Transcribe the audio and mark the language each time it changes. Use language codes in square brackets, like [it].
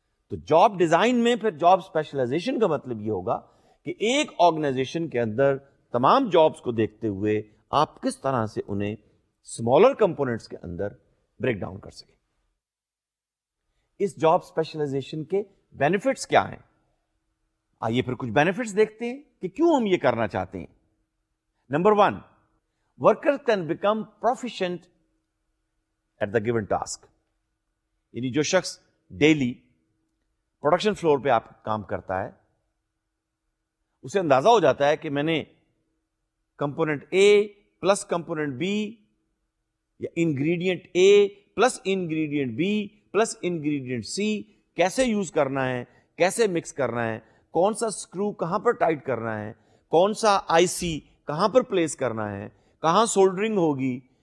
[ur] تو job design میں پھر جاب اسپیشلائزیشن کا مطلب یہ ہوگا کہ ایک آرگنائزیشن کے اندر تمام جابس کو دیکھتے ہوئے آپ کس طرح سے انہیں اسمالر کمپوننٹس کے اندر بریک ڈاؤن کر سکیں. اس جاب اسپیشلائزیشن کے بینیفٹس کیا ہیں؟ آئیے پھر کچھ بینیفٹس دیکھتے ہیں کہ کیوں ہم یہ کرنا چاہتے ہیں. [en] Number one, worker can become proficient at the given task. [ur] یعنی جو شخص ڈیلی پروڈکشن فلور پہ آپ کام کرتا ہے, اسے اندازہ ہو جاتا ہے کہ میں نے component a plus component be, یا ingredient a plus ingredient be plus ingredient سی کیسے یوز کرنا ہے, کیسے مکس کرنا ہے, کون سا سکرو کہاں پر ٹائٹ کرنا ہے, کون سا آئی سی کہاں پر پلیس کرنا ہے, کہاں سولڈرنگ ہوگی,